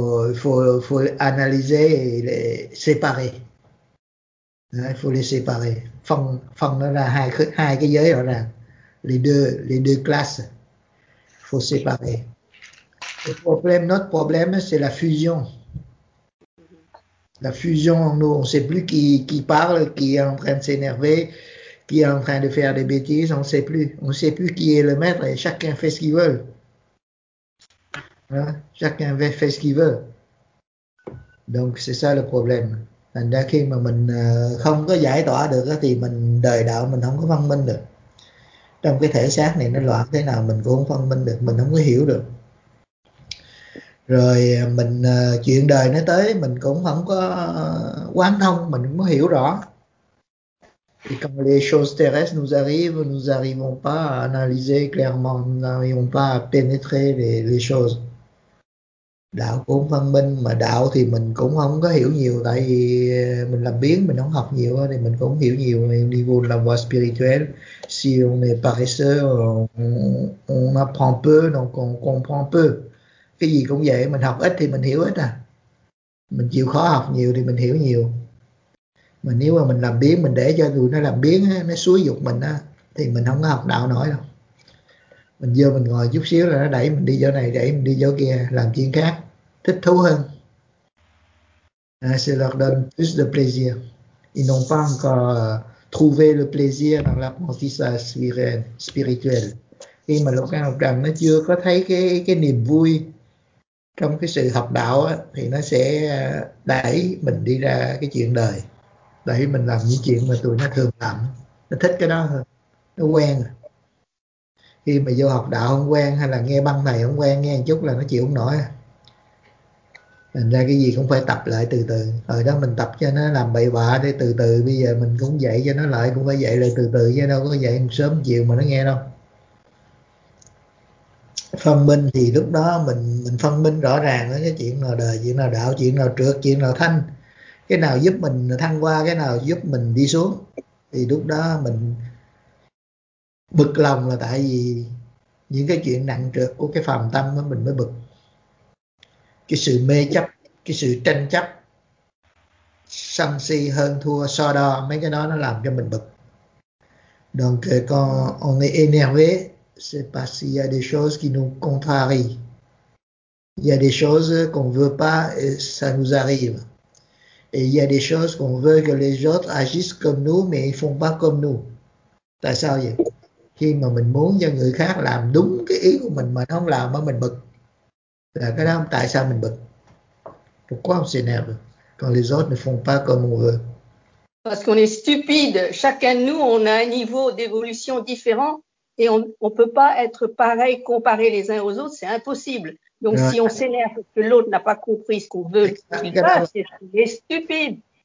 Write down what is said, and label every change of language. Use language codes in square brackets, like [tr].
[fr] Il faut analyser et les séparer. Il faut les séparer. [vi] Phân nó ra hai cái giới rõ ràng. [fr] Les deux classes. Il faut séparer. Le problème, notre problème, c'est la fusion. La fusion en nous, on ne sait plus qui parle, qui est en train de s'énerver, qui est en train de faire des bêtises, on ne sait plus. On ne sait plus qui est le maître et chacun fait ce qu'il veut. Hein? Chacun fait ce qu'il veut. Donc, c'est ça le problème. [vi] Thành ra khi mà mình không có giải tỏa được thì mình đời đạo mình không có phân minh được. Trong cái thể xác này nó loạn thế nào mình cũng không phân minh được, mình không có hiểu được. Rồi mình chuyện đời nó tới mình cũng không có quán thông, mình cũng không có hiểu rõ. [fr] Et quand les choses terrestres nous arrivons pas à analyser clairement, nous n'arrivons pas à pénétrer les choses. [vi] Đạo cũng phân minh, mà đạo thì mình cũng không có hiểu nhiều, tại vì mình làm biến, mình không học nhiều thì mình cũng hiểu nhiều. Đi vô [fr] la voie spirituelle, si on est paresseux, on apprend peu, donc on comprend peu. [vi] Cái gì cũng vậy, mình học ít thì mình hiểu ít à. Mình chịu khó học nhiều thì mình hiểu nhiều. Mà nếu mà mình làm biến, mình để cho tụi nó làm biến, nó xúi dục mình á, thì mình không có học đạo nổi đâu. Mình vô mình ngồi chút xíu là nó đẩy mình đi chỗ này, đẩy mình đi chỗ kia, làm chuyện khác, thích thú hơn. [fr] C'est leur donne plus de plaisir. Ils n'ont pas encore trouvé le plaisir dans l'apprentissage spirituel. [vi] Khi mà lúc nào rằng nó chưa có thấy cái niềm vui trong cái sự học đạo á, thì nó sẽ đẩy mình đi ra cái chuyện đời. Đẩy mình làm những chuyện mà tụi nó thường làm. Nó thích cái đó hơn, nó quen rồi. Khi mà vô học đạo không quen hay là nghe băng này không quen, nghe một chút là nó chịu không nổi. Thành ra cái gì cũng phải tập lại từ từ. Hồi đó mình tập cho nó làm bậy bạ để từ từ, bây giờ mình cũng dạy cho nó lại, cũng phải dạy lại từ từ chứ đâu có dạy sớm chiều mà nó nghe đâu. Phân minh thì lúc đó mình phân minh rõ ràng đó, cái chuyện nào đời, chuyện nào đạo, chuyện nào trượt, chuyện nào thanh, cái nào giúp mình thăng qua, cái nào giúp mình đi xuống, thì lúc đó mình bực lòng là tại vì những cái chuyện nặng trược của cái phàm tâm đó mình mới bực. Cái sự mê chấp, cái sự tranh chấp, sân si hơn thua, so đo, mấy cái đó nó làm cho mình bực. [fr] Donc quand on est énervé, c'est parce qu'il y a des choses qui nous contrarient. Il y a des choses qu'on veut pas et ça nous arrive. Et il y a des choses qu'on veut que les autres agissent comme nous mais ils font pas comme nous. [vi] Tại sao vậy? Khi mà mình muốn cho người khác làm đúng cái ý của mình mà nó không làm mà mình bực. Là cái đó tại sao mình bực? [fr] Pourquoi on s'énerve? Quand les autres ne font pas comme on veut. Parce qu'on est stupide. Chacun de nous, on a un niveau d'évolution différent et on ne peut pas être pareil, comparer les uns aux autres. C'est impossible. Donc si on s'énerve que l'autre n'a pas compris ce qu'on veut, c'est qu'il fasse, c'est stupide.